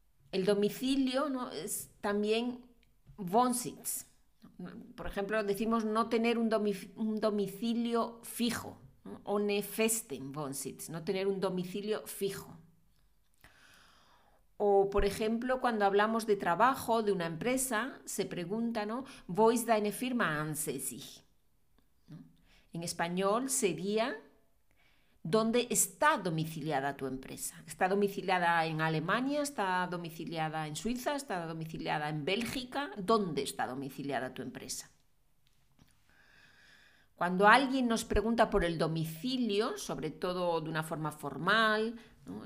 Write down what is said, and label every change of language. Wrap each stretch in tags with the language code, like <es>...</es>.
<es>El domicilio, ¿no? Es también Wohnsitz. Por ejemplo, decimos no tener un domicilio fijo, ¿no?</es> <de>Ohne festen Wohnsitz,</de> <es>no tener un domicilio fijo. O, por ejemplo, cuando hablamos de trabajo de una empresa, se pregunta, ¿no?</es> <de>Wo ist deine Firma ansässig?</de> <es>En español sería, ¿dónde está domiciliada tu empresa? ¿Está domiciliada en Alemania? ¿Está domiciliada en Suiza? ¿Está domiciliada en Bélgica? ¿Dónde está domiciliada tu empresa? Cuando alguien nos pregunta por el domicilio, sobre todo de una forma formal, ¿no?</es>